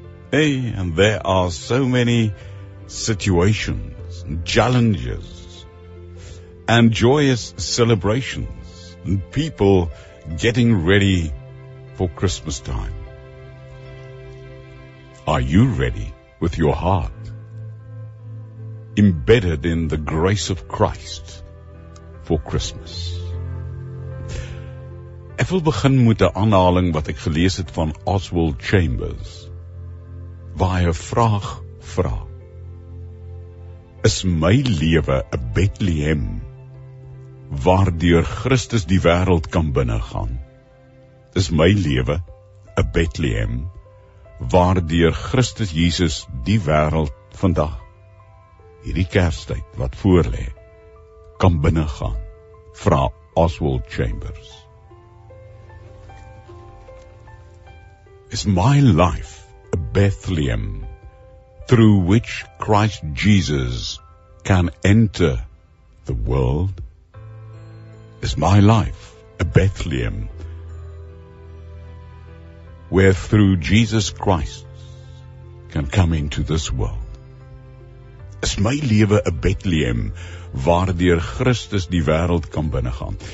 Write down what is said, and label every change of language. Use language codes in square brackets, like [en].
[en] Hey, and there are so many situations and challenges and joyous celebrations and people getting ready for Christmas time. Are you ready with your heart embedded in the grace of Christ for Christmas? [af] Ek wil begin met 'n aanhaling wat ek gelees het van Oswald Chambers, waar hy 'n vraag vra. Is my lewe 'n Bethlehem waardeur Christus die wêreld kan binnegaan? Is my lewe 'n Bethlehem waardeur Christus Jesus die wêreld vandag, hierdie kersttyd wat voorlê, kan binnegaan? Vra Oswald Chambers. [en] Is my life a Bethlehem through which Christ Jesus can enter the world? Is my life a Bethlehem where through Jesus Christ can come into this world? [af] Is my lewe 'n Bethlehem waardeur Christus die wêreld kan binnegaan?